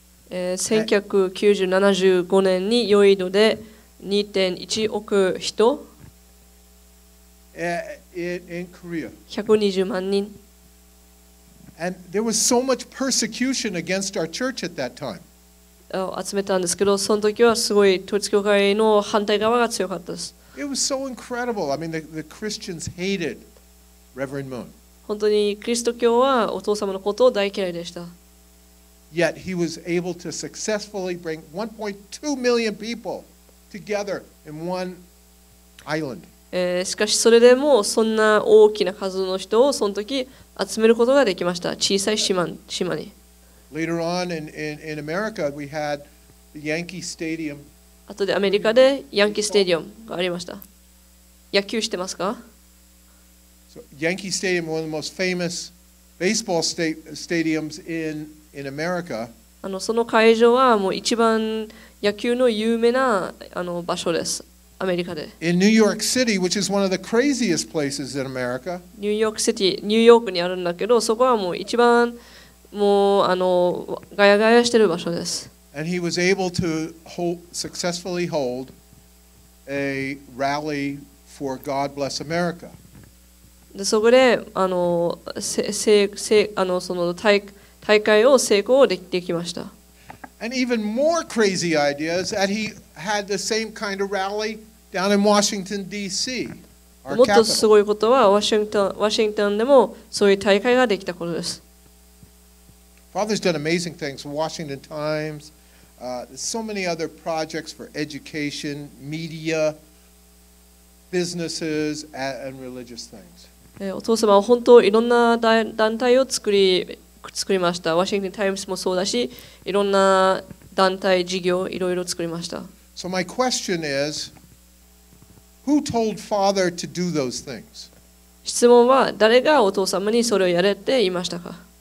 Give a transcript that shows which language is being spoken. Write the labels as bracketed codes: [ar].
[ja] 1975年にヨイドで 2.1 億人。 [en] In Korea. [ja] 120万人。 [en] And there was so much persecution against our church at that time. [ja] 集めたんですけど、その時はすごい統一教会の反対側が強かったです。 [en] It was so incredible. I mean, the Christians hated Reverend Moon. [ja] 本当にキリスト教はお父様のことを大嫌いでした。 [en] Yet he was able to successfully bring 1.2 million people together in one island. [ja] しかしそれでもそんな大きな数の人をその時集めることができました。小さい島に。 [en] Later on in America, we had the Yankee Stadium. [ja] 後でアメリカでヤンキーステディアムがありました。野球してますか? [en] So, Yankee Stadium, one of the most famous baseball stadiums in America. [ja] その会場はもう一番野球の有名な場所です。アメリカで。 [en] In New York City, which is one of the craziest places in America. [ja] ニューヨークシティ、ニューヨークにあるんだけど、そこはもう一番もうガヤガヤしてる場所です。 [en] And he was able to successfully hold a rally for God Bless America. [ja] で、そこで、大会を成功できました。 [en] And even more crazy ideas that he had the same kind of rally down in Washington, D.C., our capital. [ja] もっとすごいことは、ワシントンでもそういう大会ができたことです。 [en] Father's done amazing things. Washington Times, so many other projects for education, media, businesses, and religious things. [ja] お父様は本当いろんな団体を作りました。ワシントンタイムズもそうだし、いろんな団体事業いろいろ作りました。 [en] So my question is, who told Father to do those things? [ja] 質問は誰がお父様にそれをやれって言いましたか?